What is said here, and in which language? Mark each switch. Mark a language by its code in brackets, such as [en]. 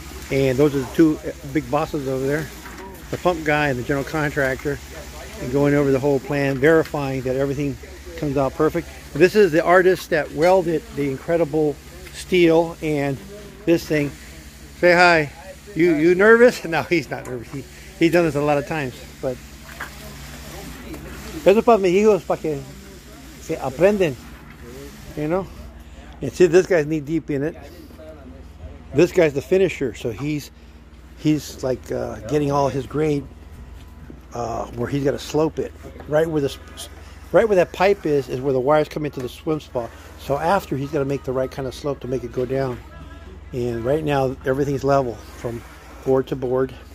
[en] And those are the two big bosses over there, the pump guy and the general contractor, and going over the whole plan, verifying that everything comes out perfect. This is the artist that welded the incredible steel and this thing. Say hi. You nervous? No, he's not nervous. He's done this a lot of times, but. [es] Eso para mis hijos, para que se aprenden, [en] you know? And see, this guy's knee deep in it. This guy's the finisher, so he's like getting all his grade where he's got to slope it. Right where that pipe is where the wires come into the swim spa. So after, he's got to make the right kind of slope to make it go down. And right now, everything's level from board to board.